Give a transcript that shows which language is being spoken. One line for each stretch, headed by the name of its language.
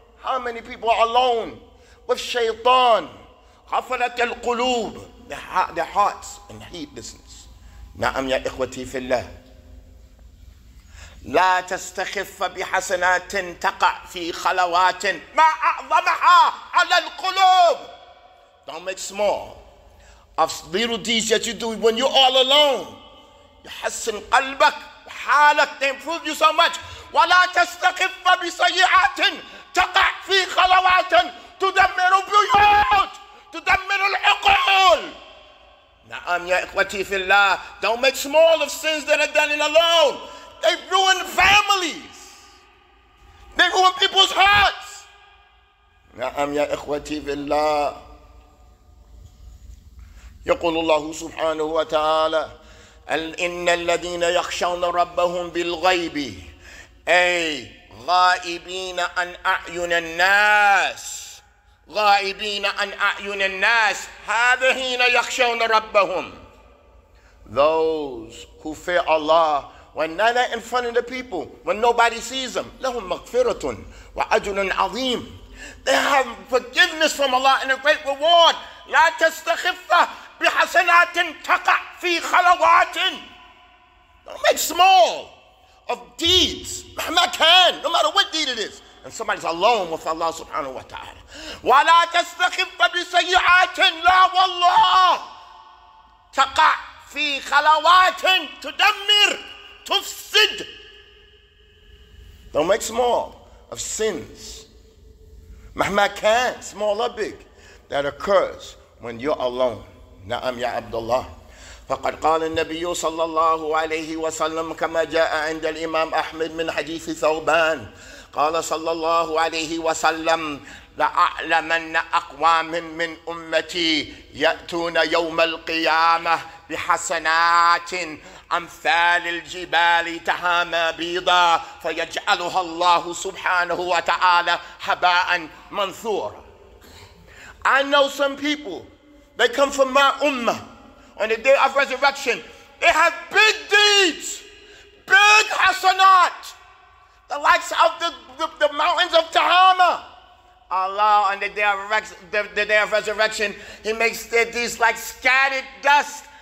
English: How many people are alone with shaytan?
Arabic: غفلت القلوب.
English: Their hearts and heedlessness.
Arabic: نعم يا إخوتي في الله. لا تستخف بحسنات تقع في خلوات ما أعظمها على القلوب.
English: Don't make small of little deeds that you do when you're all alone.
Arabic: يحسن قلبك وحالك.
English: They improve you so much.
Arabic: ولا تستخف بسيئات تقع في خلوات تدمر البيوت تدمر العقول. نعم يا إخوتي في الله.
English: Don't make small of sins that are done in alone. They ruin families. They ruin people's hearts.
Arabic: نعم يا إخوتي في الله. يقول الله سبحانه وتعالى: إن الذين يخشون ربهم بالغيب أي غائبين عن أعين الناس. غائبين عن أعين الناس. هذين يخشون ربهم.
English: Those who fear Allah when they're not in front of the people, when nobody sees them.
Arabic: لهم مغفرة وأجر عظيم.
English: They have forgiveness from Allah and a great reward.
Arabic: لا تستخف بحسنات تقع في خلوات.
English: Don't make small of deeds,
Arabic: مهما كان,
English: no matter what deed it is. And somebody's alone with Allah subhanahu wa ta'ala.
Arabic: وَلَا تَسْتَخِفَّ بِسَيِّعَاتٍ لَا وَاللَّهِ تَقَعْ فِي خَلَوَاتٍ تُدَمِّرْ تُفْسِدْ.
English: Don't make small of sins,
Arabic: مهما كان,
English: small or big, that occurs when you're alone.
Arabic: نعم يا عبد الله. فقد قال النبي صلى الله عليه وسلم كما جاء عند الإمام أحمد من حديث ثوبان قال صلى الله عليه وسلم لأعلمن أقوام من أمتي يأتون يوم القيامة بحسنات أمثال الجبال تهامى بيضا فيجعلها الله سبحانه وتعالى هباء منثورا.
English: I know some people, they come from my ummah. On the day of resurrection, they have big deeds, big hasanat, the likes of the mountains of Tahama. Allah, on the day of resurrection, He makes their deeds like scattered dust.